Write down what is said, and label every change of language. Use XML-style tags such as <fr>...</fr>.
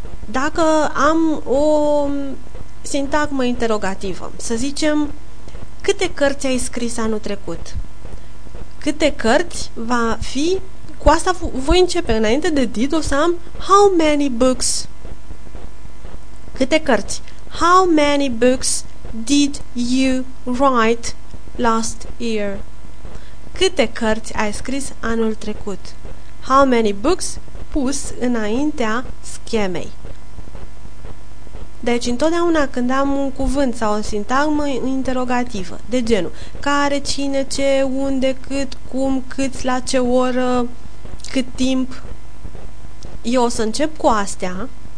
<ro>Dacă am o sintagmă interrogativă, să zicem, câte cărți ai scris anul trecut? Câte cărți va fi? Cu asta voi începe. Înainte de did, o să am</ro> <en>how many books?</en> <ro>Câte cărți?</ro> <en>How many books did you write last year?</en> <ro>Câte cărți ai scris anul trecut?</ro> <en>How many books</en> <ro>pus înaintea schemei? Deci, întotdeauna când am un cuvânt sau o sintagmă interrogativă, de genul care, cine, ce, unde, cât, cum, cât, la ce oră, cât timp, eu o să încep cu astea.</ro>